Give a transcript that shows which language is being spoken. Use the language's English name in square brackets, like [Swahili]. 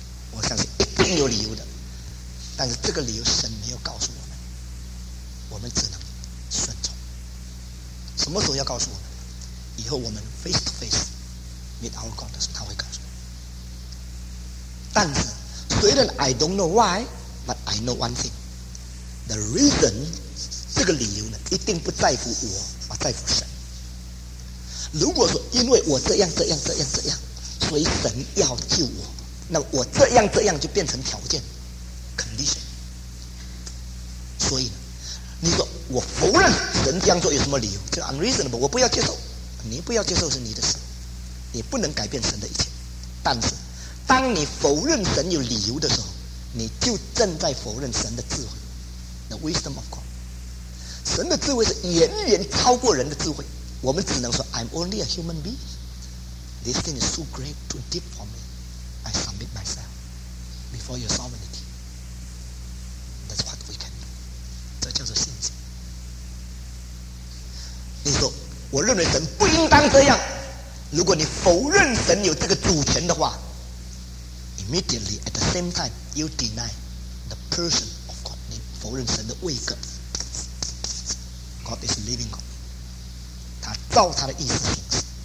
[Chinese] 我相信一定有理由的，但是这个理由神没有告诉我们，我们只能顺从。什么时候要告诉我们？以后我们 [English] face to face meet our God [Chinese] 的时候，他会告诉我。但是虽然 [English] I don't know why， but I know one thing， the reason [Chinese] 这个理由呢，一定不在乎我，而在乎神。如果说因为我这样这样这样这样，所以神要救我，那我这样这样就变成条件 condition。所以呢，你说我否认神这样做有什么理由，就 unreasonable， 我不要接受。你不要接受是你的事，你不能改变神的一切。但是当你否认神有理由的时候，你就正在否认神的智慧， [English] the wisdom of God。 [Chinese] 神的智慧是远远超过人的智慧，我们只能说 [English] I'm only a human being， this thing is too great, too deep for me， I submit myself before your sovereignty。 That's what we can do， [Chinese] 这叫做信心。你说我认为神不应当这样，如果你否认神有这个主权的话， [English] immediately at the same time you deny the person of God， [Chinese] 你否认神的位格。 [English] God is living God， [Chinese] 他照他的意思行事。